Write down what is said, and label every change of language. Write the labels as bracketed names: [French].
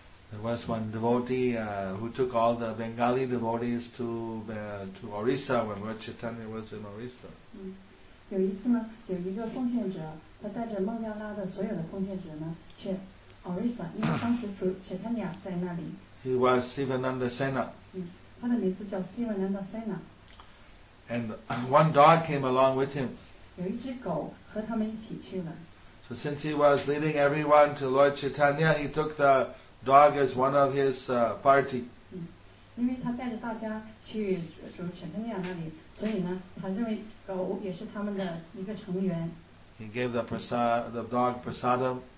[English] There was one devotee who took all the Bengali devotees to Orissa when Lord Chaitanya was in Orissa. [Chinese] 有一次呢，有一个奉献者，他带着孟加拉的所有的奉献者呢去 Orissa， 因为当时主 Chaitanya 在那里。 [English] He was Sivananda Sena. [Chinese] 他的名字叫 Sivananda Sena. [English] And one dog came along with him. [Chinese] 有一只狗和他们一起去了。 [English] So since he was leading everyone to Lord Chaitanya, he took the dog as one of his party. [Chinese] 因为他带着大家去主 Chaitanya 那里，所以呢，他认为狗也是他们的一个成员。 [English] He gave the dog prasadam.